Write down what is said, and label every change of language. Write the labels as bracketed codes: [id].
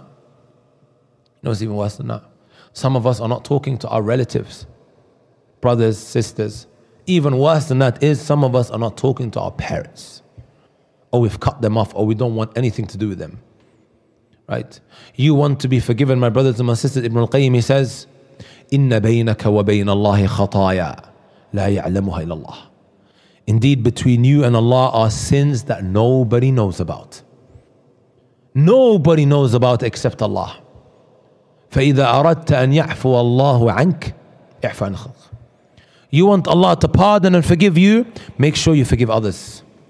[en] You know what's even worse than that? Some of us are not talking to our relatives, brothers, sisters. Even worse than that is some of us are not talking to our parents. Or we've cut them off, or we don't want anything to do with them. Right? You want to be forgiven, my brothers and my sisters. [ar] Ibn al-Qayyim, [en] he says, [ar] إِنَّ بَيْنَكَ وَبَيْنَ اللَّهِ خَطَايَا لَا يَعْلَمُهَا إِلَّا اللَّهِ. [en] Indeed, between you and Allah are sins that nobody knows about. Nobody knows about except Allah. [ar] فَإِذَا أَرَدْتَ أَنْ يَعْفُوَ اللَّهُ عَنْكَ اعْفُ عَنْ خَلْقِ. [en] You want Allah to pardon and forgive you, make sure you forgive others.